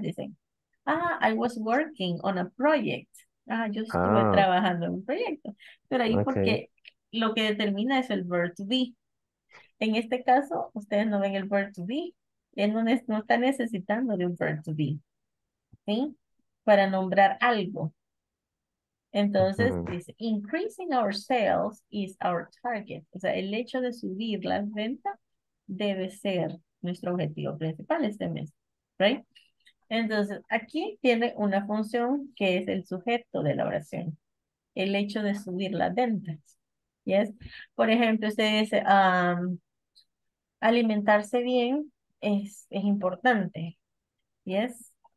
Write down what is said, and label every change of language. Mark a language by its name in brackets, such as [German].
[Spanish] Dicen, ah, [English] I was working on a project. [Spanish] Ah, yo estuve trabajando en un proyecto. Pero ahí okay. Porque lo que determina es el verb to be. En este caso, ustedes no ven el verb to be. Él no está necesitando de un verb to be. ¿Sí? Para nombrar algo. Entonces, dice, [English] increasing our sales is our target. [Spanish] O sea, el hecho de subir las ventas debe ser nuestro objetivo principal este mes. [English] ¿Right? [Spanish] Entonces, aquí tiene una función que es el sujeto de la oración. El hecho de subir las ventas. [English] ¿Yes? [Spanish] Por ejemplo, usted dice, alimentarse bien es importante. ¿Yes?